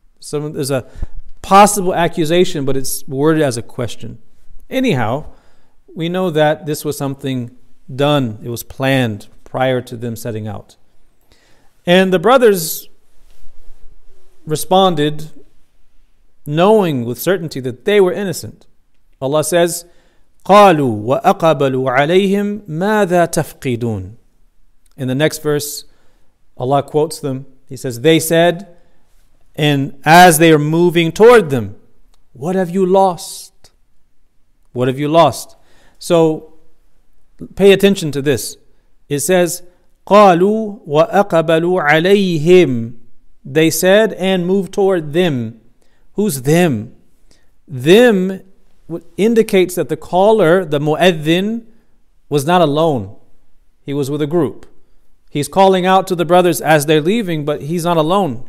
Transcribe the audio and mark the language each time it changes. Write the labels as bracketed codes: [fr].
[en] There's a possible accusation, but it's worded as a question. Anyhow, We know that this was something done, it was planned prior to them setting out. And the brothers responded, knowing with certainty that they were innocent. Allah says, [ar] قَالُوا وَأَقَبَلُوا عَلَيْهِمْ مَاذَا تَفْقِدُونَ. [en] In the next verse, Allah quotes them. He says, they said, and as they are moving toward them, what have you lost? What have you lost? So pay attention to this. It says, [ar] قَالُوا وَأَقَبَلُوا عَلَيْهِمْ. [en] They said and moved toward them. Who's them? Them indicates that the caller, the mu'adhin, was not alone. He was with a group. He's calling out to the brothers as they're leaving, but he's not alone.